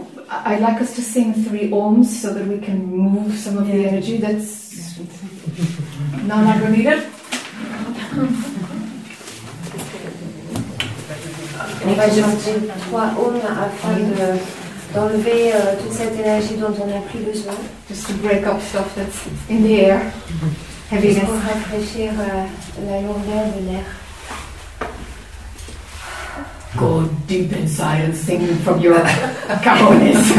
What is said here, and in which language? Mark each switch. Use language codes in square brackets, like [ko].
[en] I'd like us to sing three ohms so that we can move some of the energy that's no longer needed. [fr] On va chanter 3 ohms afin d'enlever toute cette énergie dont on n'a plus besoin. [en] Just to break up stuff that's in the air. [fr] Heaviness. Pour rafraîchir la lourdeur de l'air. [en] Go deep in silence, singing from your cajones.